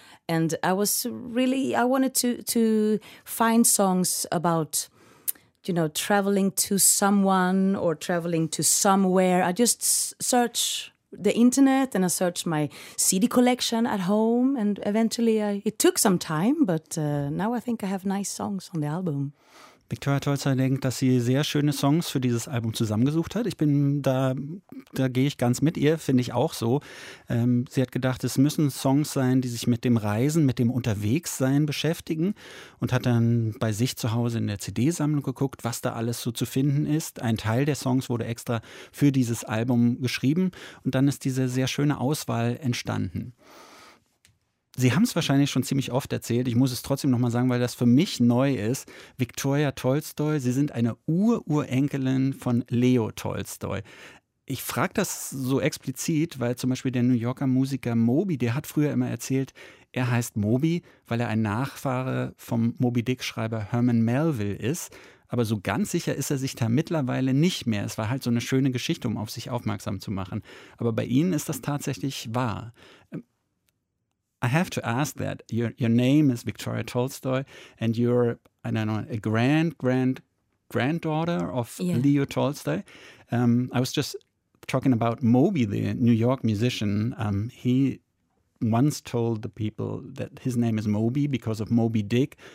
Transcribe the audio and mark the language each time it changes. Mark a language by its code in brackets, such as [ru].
[en] And I was really, I wanted to find songs about, you know, traveling to someone or traveling to somewhere. I just search the internet and I search my CD collection at home and eventually it took some time, but now I think I have nice songs on the album. [de] Victoria Tolstoy denkt, dass sie sehr schöne Songs für dieses Album zusammengesucht hat. Ich bin da, da gehe ich ganz mit ihr, finde ich auch so. Sie hat gedacht, es müssen Songs sein, die sich mit dem Reisen, mit dem Unterwegssein beschäftigen und hat dann bei sich zu Hause in der CD-Sammlung geguckt, was da alles so zu finden ist. Ein Teil der Songs wurde extra für dieses Album geschrieben und dann ist diese sehr schöne Auswahl entstanden. Sie haben es wahrscheinlich schon ziemlich oft erzählt, ich muss es trotzdem nochmal sagen, weil das für mich neu ist. Victoria Tolstoy, Sie sind eine Ururenkelin von Leo Tolstoy. Ich frage das so explizit, weil zum Beispiel der New Yorker Musiker Moby, der hat früher immer erzählt, er heißt Moby, weil er ein Nachfahre vom Moby Dick-Schreiber Herman Melville ist. Aber so ganz sicher ist er sich da mittlerweile nicht mehr. Es war halt so eine schöne Geschichte, um auf sich aufmerksam zu machen. Aber bei Ihnen ist das tatsächlich wahr. [en] I have to ask that. Your name is Victoria Tolstoy and you're, I don't know, a granddaughter of Leo Tolstoy. I was just talking about Moby, the New York musician. He once told the people that his name is Moby because of Moby Dick.